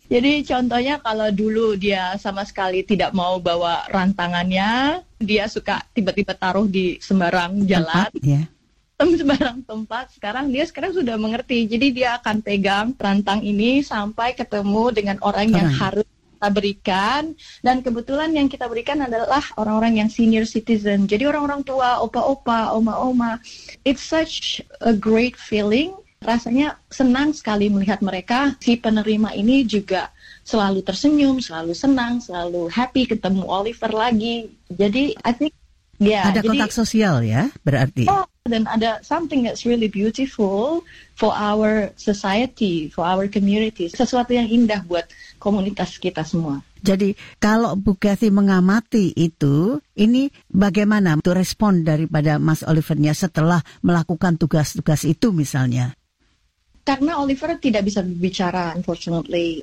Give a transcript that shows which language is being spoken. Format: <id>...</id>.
<id>Jadi contohnya kalau dulu dia sama sekali tidak mau bawa rantangannya, dia suka tiba-tiba taruh di sembarang jalan. Sembarang tempat, sekarang dia sudah mengerti. Jadi dia akan pegang rantang ini sampai ketemu dengan orang yang harus kita berikan. Dan kebetulan yang kita berikan adalah orang-orang yang senior citizen. Jadi orang-orang tua, opa-opa, oma-oma.</id> <en>It's such a great feeling.</en> <id>Rasanya senang sekali melihat mereka, si penerima ini juga selalu tersenyum, selalu senang, selalu happy ketemu Oliver lagi. Jadi</id> <en>I think</en> <id>Kontak sosial ya, berarti. Oh, dan ada</id> <en>something that's really beautiful for our society, for our community.</en> <id>Sesuatu yang indah buat komunitas kita semua. Jadi, kalau Bu Kathy mengamati itu, ini bagaimana untuk respon daripada Mas Olivernya setelah melakukan tugas-tugas itu misalnya? Karena Oliver tidak bisa berbicara,</id> <en>unfortunately.</en>